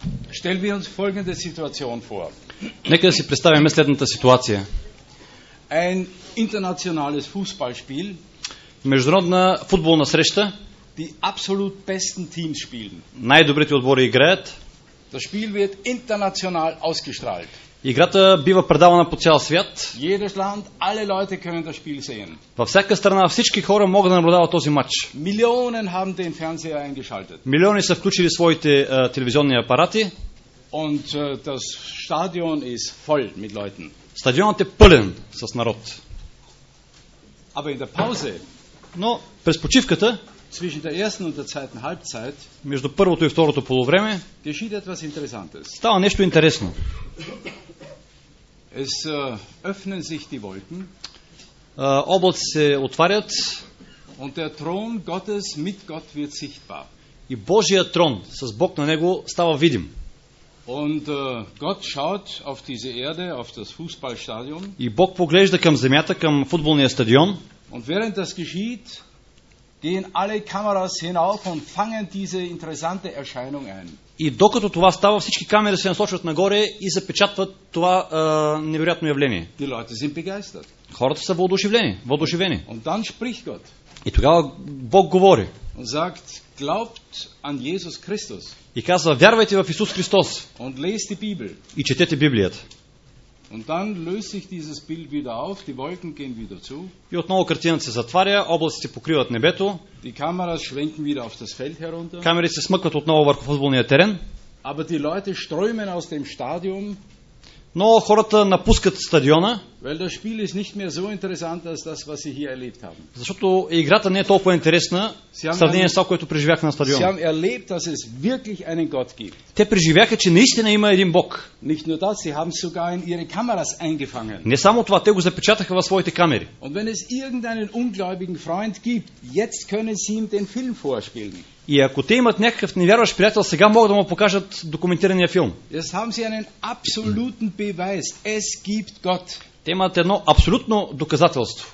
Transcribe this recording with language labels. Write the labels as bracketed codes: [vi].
[de] Stell wir uns folgende Situation vor. [bg] Нека да си представим следната ситуация. [de] Ein internationales Fußballspiel. [bg] Международна футболна среща. [de] Die absolut besten Teams spielen. [bg] Най-добрите отбори играят. [de] Das Spiel wird international ausgestrahlt. [bg] Играта бива предавана по цял свят. [de] Jedes Land, alle Leute können das Spiel sehen. [bg] Във всяка страна всички хора могат да наблюдават този матч. [de] Millionen haben den Fernseher eingeschaltet. [bg] Милиони са включили своите телевизионни апарати. [de] Und das Stadion ist voll mit Leuten. [bg] Стадионът е пълен с народ. [de] Aber in der Pause, [bg] но през почивката, [de] zwischen der ersten und der zweiten Halbzeit, [bg] между първото и второто полувреме, [de] geschieht etwas Interessantes. [bg] Става нещо интересно. [de] Es öffnen sich die Wolken. [bg] Облаци се отварят. [de] Und der Thron Gottes mit Gott wird sichtbar. [bg] И Божия трон с Бог на него става видим. [de] Und Gott schaut auf diese Erde, auf das Fußballstadion. [bg] И Бог поглежда към земята, към футболния стадион. [de] Und während das geschieht, gehen alle Kameras hinauf und fangen diese interessante Erscheinung ein. [bg] И докато това става, всички камери се насочват нагоре и запечатват това невероятно явление. [de] Die Leute sind begeistert. [bg] Хората са воодушевени. [de] Und dann spricht Gott. [bg] И тогава Бог говори. [de] Und sagt, glaubt an Jesus Christus. [bg] И казва, вярвайте в Исус Христос. [de] Und lest die Bibel. [bg] И четете Библията. [de] Und dann löst sich dieses Bild wieder auf, die Wolken gehen wieder zu. [bg] И отново картината се затваря, облаците покриват небето. [de] Die Kameras schwenken wieder auf das Feld herunter. [bg] Камерите се смъкват отново върху футболния терен. [de] Aber die Leute strömen aus dem Stadion. [bg] Но хората напускат стадиона. [de] Weil das Spiel ist nicht mehr so interessant als das, was sie hier erlebt haben. [bg] Защото играта не е толкова интересна в сравнение с това, което преживяха на стадиона. [de] Sie haben erlebt, dass es wirklich einen Gott gibt. [bg] Те преживяха, че наистина има един Бог. [de] Nicht nur das, sie haben sogar in ihre Kameras eingefangen. [bg] Не само това, те го запечатаха в своите камери. [de] Und wenn es irgendeinen ungläubigen Freund gibt, jetzt können sie ihm den Film vorspielen. [bg] И ако те имат някакъв невярващ приятел, сега могат да му покажат документирания филм. [de] Jetzt haben sie einen absoluten Beweis. Es gibt Gott. [bg] Те имат едно абсолютно доказателство.